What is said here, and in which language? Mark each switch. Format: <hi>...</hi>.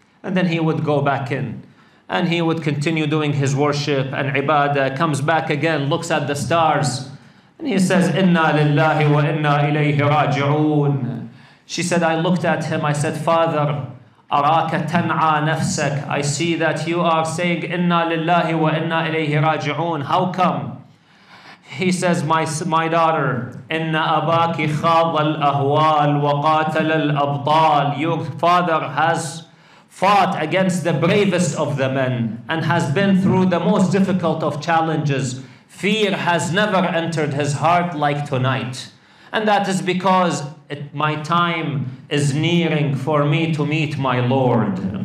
<en>And then he would go back in. And he would continue doing his worship and ibadah, comes back again, looks at the stars. And he says, Inna lillahi wa inna ilayhi raji'un. She said, I looked at him, I said, Father,</en> <ar>araka tan'a nafsak.</ar> <en>I see that you are saying, Inna lillahi wa inna ilayhi raji'un. How come? he says, my daughter,</en> <ar>إن أباك خاض الأهوال وقاتل الأبطال.</ar> <en>Your father has fought against the bravest of the men and has been through the most difficult of challenges. Fear has never entered his heart like tonight. And that is because my time is nearing for me to meet my Lord.</en>